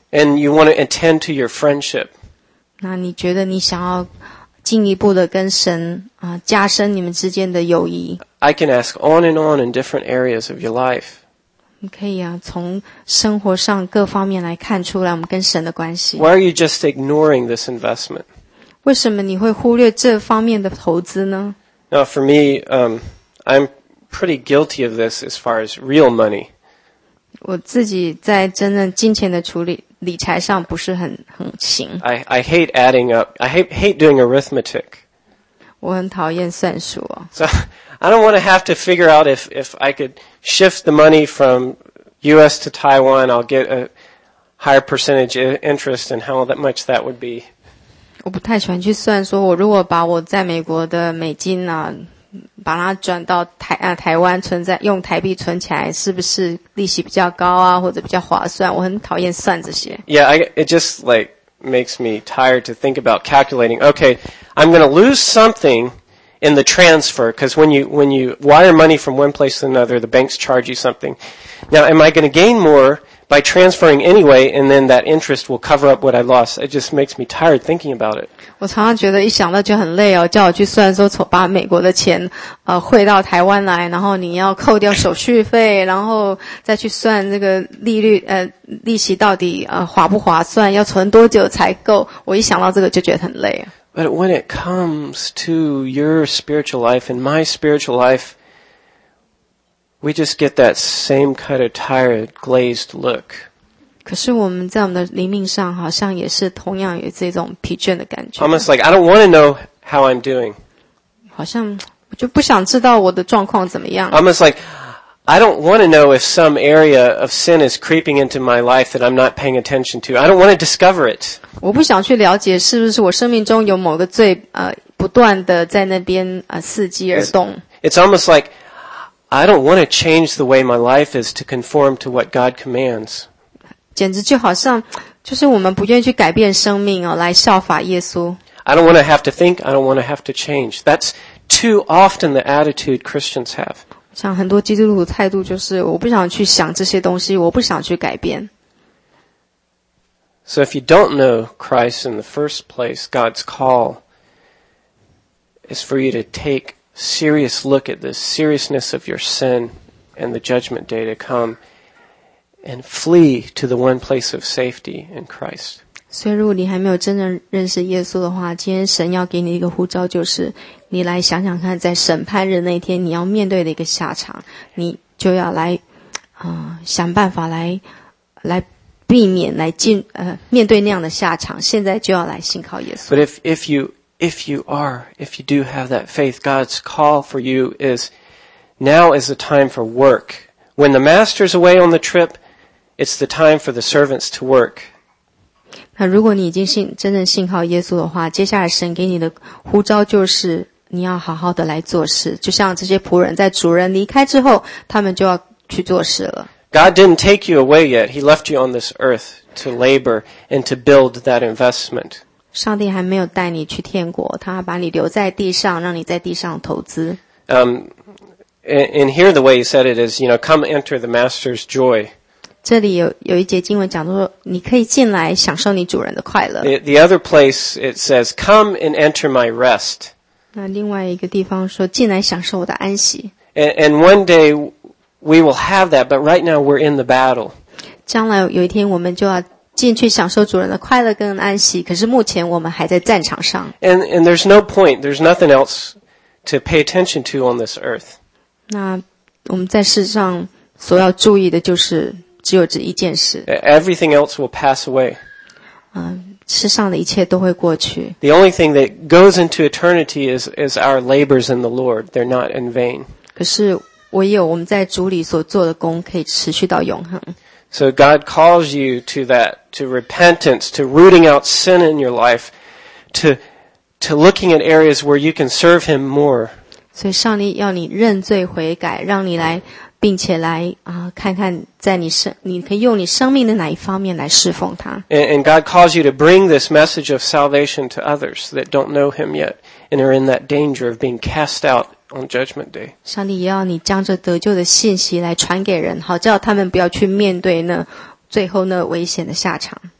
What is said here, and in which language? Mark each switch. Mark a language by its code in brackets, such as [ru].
[en] And you want to attend to your friendship. [zh] 那你觉得你想要进一步的跟神加深你们之间的友谊。 [en] I can ask on and on in different areas of your life. [zh] 你可以从生活上各方面来看出来我们跟神的关系。 [en] Why are you just ignoring this investment? [zh] 为什么你会忽略这方面的投资呢？ [en] Now, for me, I'm pretty guilty of this as far as real money. [zh] 我自己在真正金钱的处理理财上不是很行。 [en] I hate adding up. I hate doing arithmetic. [zh] 我很讨厌算数哦。 [en] So I don't want to have to figure out if I could shift the money from U.S. to Taiwan, I'll get a higher percentage interest, and how that much that would be. [zh] 我不太喜欢去算说我如果把我在美国的美金把它转到台湾存在用台币存起来是不是利息比较高或者比较划算，我很讨厌算这些。 [en] Yeah, it just like makes me tired to think about calculating. Okay, I'm going to lose something in the transfer because when you wire money from one place to another, the banks charge you something. Now, am I going to gain more? By transferring anyway, and then that interest will cover up what I lost. It just makes me tired thinking about it. [zh] 我常常觉得一想到就很累哦，叫我去算说从把美国的钱汇到台湾来，然后你要扣掉手续费，然后再去算这个利率利息到底划不划算，要存多久才够。我一想到这个就觉得很累。 [en] But when it comes to your spiritual life and my spiritual life,We just get that same kind of tired, glazed look. [zh] 可是我们在我们的灵命上好像也是同样有这种疲倦的感觉。 [en] Almost like, I don't want to know how I'm doing. [zh] 好像我就不想知道我的状况怎么样。 [en] Almost like, I don't want to know if some area of sin is creeping into my life that I'm not paying attention to. I don't want to discover it. [zh] 我不想去了解是不是我生命中有某个罪不断的在那边伺机而动。 [en] It's almost like,I don't want to change the way my life is to conform to what God commands. [zh] 简直就好像就是我们不愿意去改变生命来效法耶稣。 [en] I don't want to have to think, I don't want to have to change. That's too often the attitude Christians have. [zh] 像很多基督徒的态度就是我不想去想这些东西，我不想去改变。 [en] So if you don't know Christ in the first place, God's call is for you to take serious look at the seriousness of your sin and the judgment day to come and flee to the one place of safety in Christ. [zh] 所以如果你还没有真正认识耶稣的话，今天神要给你一个呼召，就是你来想想看，在审判日那天你要面对的一个下场，你就要来想办法来避免来进面对那样的下场，现在就要来信靠耶稣。 [en] But if you do have that faith, God's call for you is now is the time for work. When the master's away on the trip, it's the time for the servants to work. [zh] 那如果你已经真正信靠耶稣的话，接下来神给你的呼召就是你要好好的来做事，就像这些仆人在主人离开之后，他们就要去做事了。 [en] God didn't take you away yet. He left you on this earth to labor and to build that investment. [zh] 上帝还没有带你去天国，他把你留在地上，让你在地上投资。 [en] And here the way he said it is, you know, come enter the master's joy. [zh] 这里有一节经文讲说，你可以进来享受你主人的快乐。 [en] The other place it says, come and enter my rest. [zh] 那另外一个地方说，进来享受我的安息。 [en] And one day we will have that, but right now we're in the battle. [zh] 将来有一天我们就要进去享受主人的快乐跟安息，可是目前我们还在战场上。 [en] And there's no point, there's nothing else to pay attention to on this earth. [zh] 那我们在世上所要注意的就是只有这一件事。 [en] Everything else will pass away. [zh] 世上的一切都会过去。 [en] The only thing that goes into eternity is our labors in the Lord. They're not in vain. [zh] 可是唯有我们在主里所做的工可以持续到永恒。 [en] So God calls you to that, to repentance, to rooting out sin in your life, to looking at areas where you can serve Him more. [zh] 所以上帝要你认罪悔改，让你来，并且来看看在你可以用你生命的哪一方面来侍奉他。 [en] And God calls you to bring this message of salvation to others that don't know Him yet and are in that danger of being cast out on Judgment Day. [zh] 上帝也要你将这得救的信息来传给人，好叫他们不要去面对那最后那危险的下场。